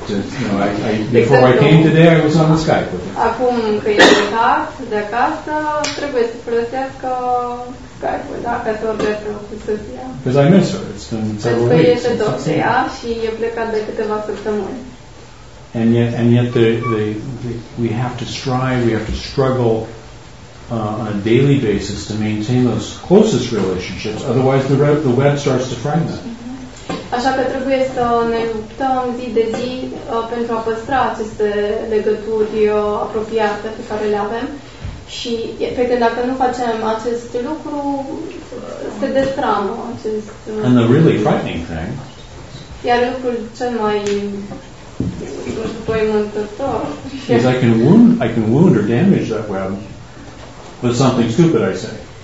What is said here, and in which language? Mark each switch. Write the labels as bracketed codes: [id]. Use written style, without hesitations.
[en] You know, before I came today, I was on the Skype with her. [ro] Acum că e plecat de acasă, trebuie să folosească Skype-ul, da, ca să vorbească cu soția. [en] Because I miss her. It's been several weeks. [ro] Pentru că este tot ea și e plecat de câteva săptămâni. [en] And yet we have to struggle on a daily basis to maintain those closest relationships. Otherwise, the web starts to fragment. [ro] Așa că trebuie să ne luptăm zi de zi pentru a păstra aceste legături apropiate pe care le avem. Și pe când dacă nu facem acest lucru, se destramă acest. [en] And the really frightening thing. [ro] Iar lucrul cel mai spăimântător. [en] Because I can wound or damage that web with something stupid I say.